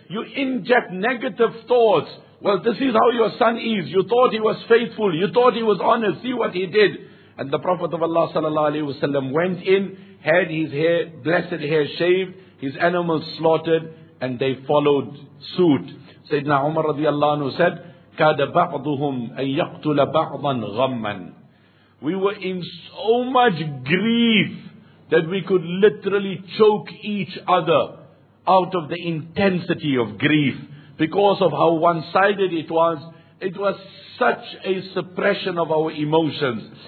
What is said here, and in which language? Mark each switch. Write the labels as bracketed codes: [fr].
[en] You inject negative thoughts. Well, this is how your son is. You thought he was faithful. You thought he was honest. See what he did. And the Prophet of Allah sallallahu alayhi wa sallam went in, had his hair, blessed hair shaved, his animals slaughtered, and they followed suit. [ar] Sayyidina Umar radiallahu anhu said, كَادَ بَعْضُهُمْ أَن يَقْتُلَ بَعْضًا غَمًّا. [en] We were in so much grief that we could literally choke each other out of the intensity of grief because of how one-sided it was. It was such a suppression of our emotions.